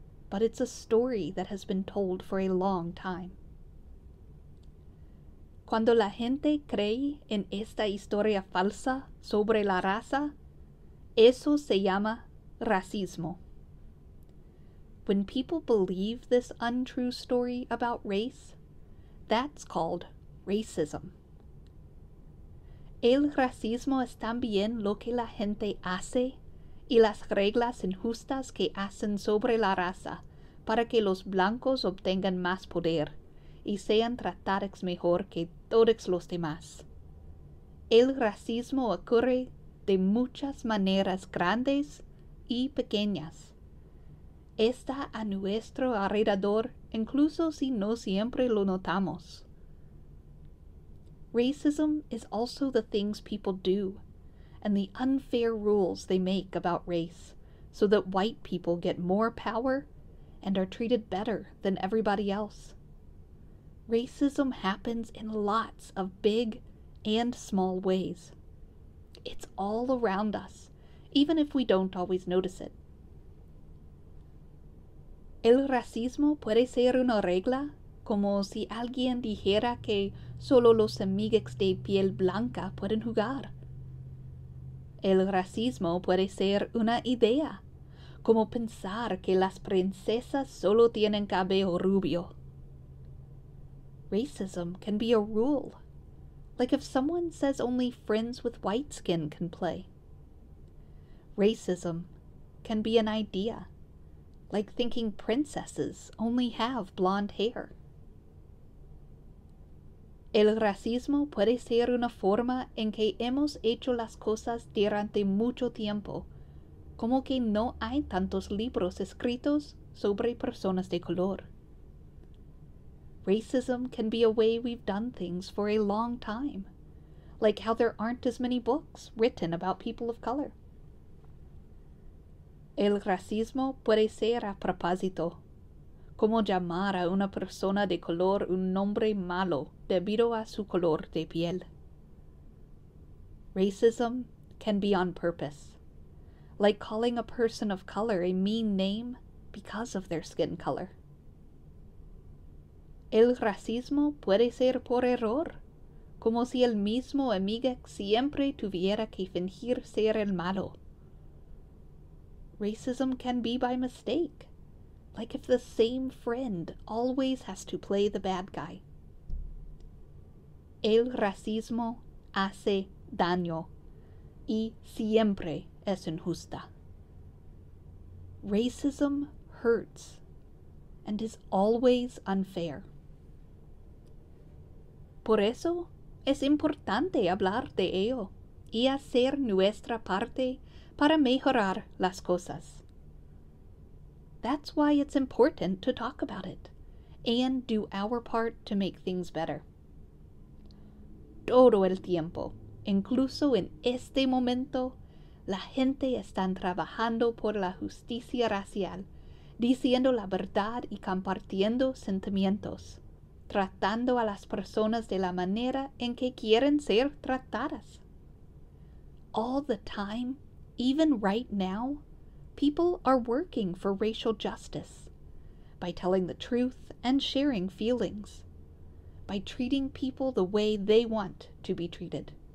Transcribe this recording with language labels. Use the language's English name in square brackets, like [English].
[English] But it's a story that has been told for a long time. [Spanish] Cuando la gente cree en esta historia falsa sobre la raza, eso se llama racismo. [English] When people believe this untrue story about race, that's called racism. [Spanish] El racismo es también lo que la gente hace y las reglas injustas que hacen sobre la raza para que los blancos obtengan más poder y sean tratados mejor que todos los demás. El racismo ocurre de muchas maneras grandes y pequeñas. Está a nuestro alrededor incluso si no siempre lo notamos. [English] Racism is also the things people do, and the unfair rules they make about race, so that white people get more power and are treated better than everybody else. Racism happens in lots of big and small ways. It's all around us, even if we don't always notice it. [Spanish] El racismo puede ser una regla, como si alguien dijera que solo los amigos de piel blanca pueden jugar. El racismo puede ser una idea, como pensar que las princesas solo tienen cabello rubio. [English] Racism can be a rule, like if someone says only friends with white skin can play. Racism can be an idea, like thinking princesses only have blonde hair. [Spanish] El racismo puede ser una forma en que hemos hecho las cosas durante mucho tiempo, como que no hay tantos libros escritos sobre personas de color. [English] racism can be a way we've done things for a long time, like how there aren't as many books written about people of color. [Spanish] El racismo puede ser a propósito, como llamar a una persona de color un nombre malo debido a su color de piel. [English] Racism can be on purpose, like calling a person of color a mean name because of their skin color. [Spanish] El racismo puede ser por error, como si el mismo amiguex siempre tuviera que fingir ser el malo. [English] Racism can be by mistake, like if the same friend always has to play the bad guy. [Spanish] El racismo hace daño y siempre es injusta. [English] Racism hurts and is always unfair. [Spanish] Por eso es importante hablar de ello y hacer nuestra parte para mejorar las cosas. [English] That's why it's important to talk about it and do our part to make things better. [Spanish] Todo el tiempo, incluso en este momento, la gente está trabajando por la justicia racial, diciendo la verdad y compartiendo sentimientos, tratando a las personas de la manera en que quieren ser tratadas. [English] All the time, even right now, people are working for racial justice by telling the truth and sharing feelings, by treating people the way they want to be treated.